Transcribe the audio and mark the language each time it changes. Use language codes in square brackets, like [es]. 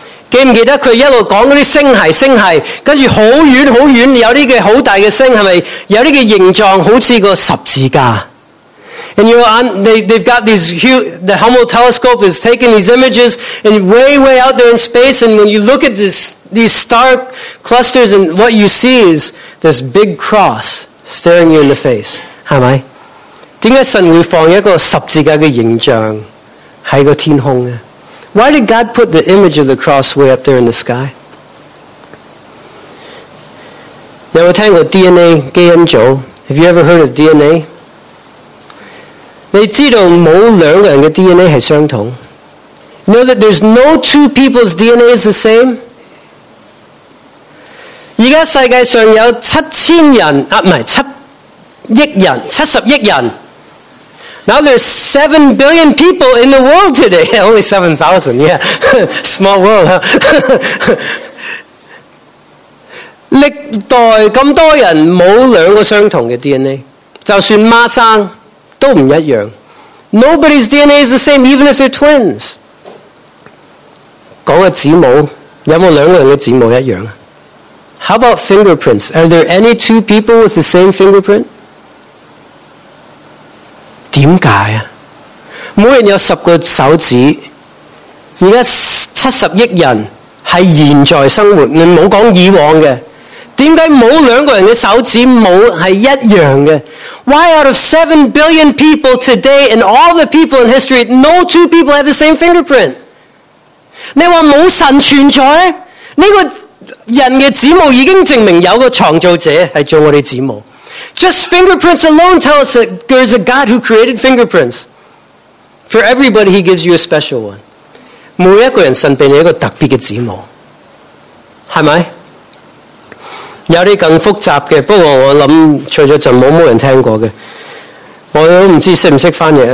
[yue] 记唔记得佢一路讲嗰啲星系星系，跟住好远好远，有啲嘅好大嘅星系咪有啲嘅形状好似个十字架 ？ [en] And you know, they've got these huge. The Hubble telescope is taking these images and way out there in space. And when you look at these star clusters, and what you see is this big cross staring you in the face. [yue] 系咪？点解神会放一个十字架嘅形象喺个天空呢？ [en] Why did God put the image of the cross way up there in the sky? [yue] 有冇听过 DNA 基因组 [en] ？Have you ever heard of DNA? [yue] 你知道冇两个人嘅 DNA 系相同 [en] ？You know that there's no two people's DNA is the same. [yue] 而家世界上有七十亿人。 [en] Now there's 7 billion people in the world today. Only 7,000, yeah. Small world, huh? [yue] 历代咁多人冇两个相同嘅 DNA. 就算孖生都唔一样。 [en] Nobody's DNA is the same, even if they're twins. [yue] 讲个指模，有冇两个人嘅指模一样？ [en] How about fingerprints? Are there any two people with the same fingerprint? [yue] 点解啊？每人有十个手指，而家七十亿人系现在生活，你冇讲以往嘅。点解冇两个人嘅手指冇系一样嘅 [en] ？Why out of 7 billion people today and all the people in history, no two people have the same fingerprint？ [yue] 你话冇神存在？这个人嘅指模已经证明有个创造者系做我哋指模。 [en] Just fingerprints alone tell us that there's a God who created fingerprints. For everybody, He gives you a special one. [yue] 每一个人神俾你一个特别嘅指模，系咪？有啲更复杂嘅，不过我谂除咗就冇人听过嘅，我都唔知识唔识翻译。